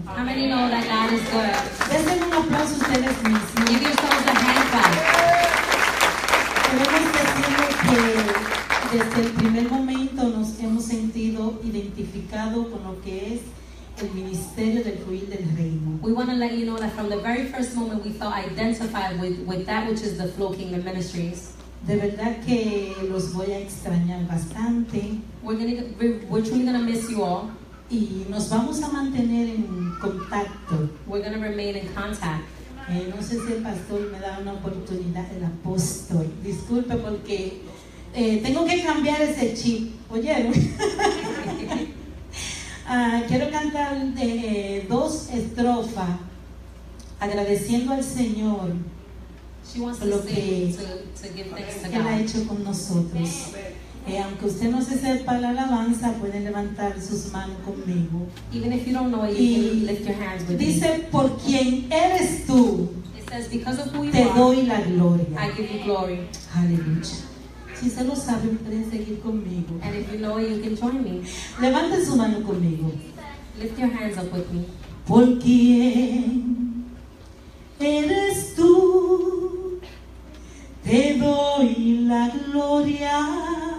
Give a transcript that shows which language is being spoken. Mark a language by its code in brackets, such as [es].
[en] How many know that God is good? [es] Denle un aplauso ustedes mismos. [en] Give yourselves a hand clap. [es] Queremos decirles que desde el primer momento nos hemos sentido identificado con lo que es el ministerio del fluir del reino. [en] We want to let you know that from the very first moment we felt identified with that which is the Flow Kingdom Ministries. [es] De verdad que los voy a extrañar bastante. [en] We're truly going to miss you all. [es] Y nos vamos a mantener en contacto. [en] We're going to remain in contact. [es] No sé si el pastor me da una oportunidad, el apóstol. Disculpe porque tengo que cambiar ese chip. ¿Oyeron? quiero cantar dos estrofas agradeciendo al Señor. [en] She wants to sing, to give thanks to God. [es] Que Él ha hecho con nosotros. Aunque usted no se sepa la alabanza, puede levantar sus manos conmigo. [en] Even if you don't know it, you can lift your hands with [es] dice, [en] me. [es] Dice, por quien eres tú, [en] it says, because of who you [es] te [en] are, [es] doy la gloria. [en] I give you glory. [es] Aleluya. Si usted lo sabe, puede seguir conmigo. [en] And if you know it, you can join me. [es] Levante su mano conmigo. [en] Lift your hands up with me. [es] Por quien eres tú, te doy la gloria.